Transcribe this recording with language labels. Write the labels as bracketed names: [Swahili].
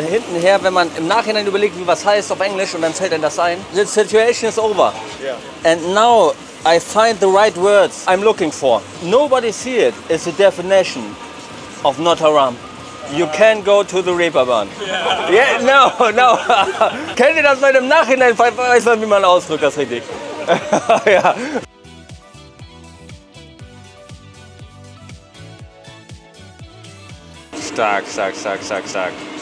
[German] Hinten her, wenn man im Nachhinein überlegt, wie was heißt auf Englisch und dann fällt einem das ein. [English] The situation is over. Yeah. And now I find the right words I'm looking for. Nobody see it is the definition of not haram. You can't go to the Reeperbahn. Yeah. Yeah, no, no. [German] Kennt ihr das, Leute? Im Nachhinein weiß man, wie man ausdrückt das richtig. Ja. Stark, stark, stark, stark, stark.